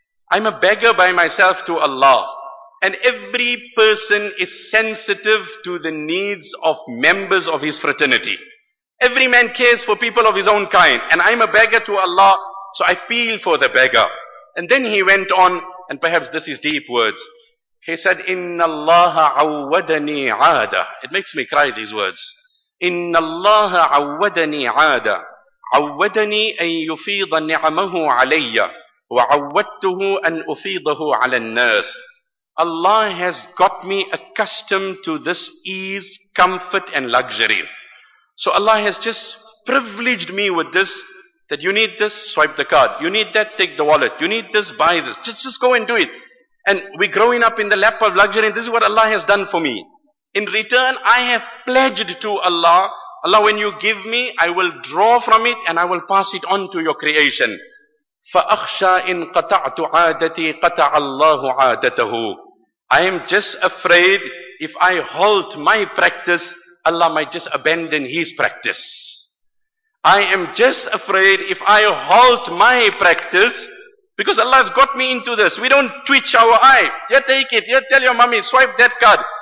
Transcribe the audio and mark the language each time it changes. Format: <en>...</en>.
<en>I'm a beggar by myself to Allah. And every person is sensitive to the needs of members of his fraternity. Every man cares for people of his own kind. And I'm a beggar to Allah, so I feel for the beggar. And then he went on, and perhaps this is deep words. He said,</en> <ar>إِنَّ اللَّهَ عَوَّدَنِي عَادَ.</ar> <en>It makes me cry, these words.</en> <ar>إِنَّ اللَّهَ عَوَّدَنِي عَادَ. عَوَّدَنِي أَن يُفِيضَ نِعَمَهُ عَلَيَّ. وَعَوَّدْتُهُ أَن أُفِيضَهُ عَلَى النَّاسِ.</ar> <en>Allah has got me accustomed to this ease, comfort and luxury. So Allah has just privileged me with this, that you need this, swipe the card. You need that, take the wallet. You need this, buy this. Just go and do it. And we're growing up in the lap of luxury. This is what Allah has done for me. In return, I have pledged to Allah. Allah, when you give me, I will draw from it and I will pass it on to your creation.</en> <ar>فَأَخْشَى إِن قَطَعْتُ عَادَتِي قَطَعَ اللَّهُ عَادَتَهُ.</ar> <en>I am just afraid if I halt my practice, Allah might just abandon His practice. I am just afraid if I halt my practice, because Allah has got me into this. We don't twitch our eye. You take it. You tell your mommy, swipe that card.</en>